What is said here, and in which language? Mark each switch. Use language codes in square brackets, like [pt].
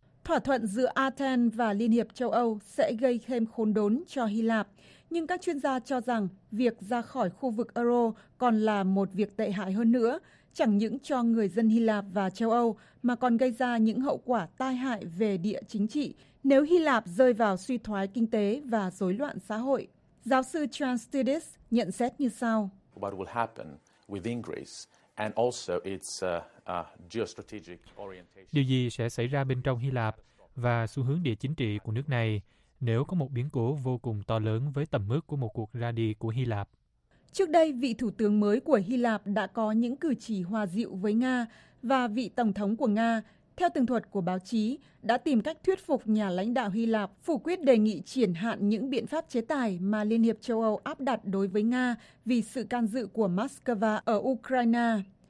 [vi] Thỏa thuận giữa Athens và Liên hiệp Châu Âu sẽ gây thêm khốn đốn cho Hy Lạp, nhưng các chuyên gia cho rằng việc ra khỏi khu vực euro còn là một việc tệ hại hơn nữa, chẳng những cho người dân Hy Lạp và châu Âu mà còn gây ra những hậu quả tai hại về địa chính trị nếu Hy Lạp rơi vào suy thoái kinh tế và rối loạn xã hội. Giáo sư Chanstidis nhận xét như sau. [en] What will happen within Greece and also its geostrategic orientation. [vi] Điều gì sẽ xảy ra bên trong Hy Lạp và xu hướng địa chính trị của nước này nếu có một biến cố vô cùng to lớn với tầm mức của một cuộc ra đi của Hy Lạp? Trước đây, vị thủ tướng mới của Hy Lạp đã có những cử chỉ hòa dịu với Nga và vị tổng thống của Nga, theo tường thuật của báo chí, đã tìm cách thuyết phục nhà lãnh đạo Hy Lạp phủ quyết đề nghị triển hạn những biện pháp chế tài mà Liên hiệp châu Âu áp đặt đối với Nga vì sự can dự của Moscow ở Ukraine.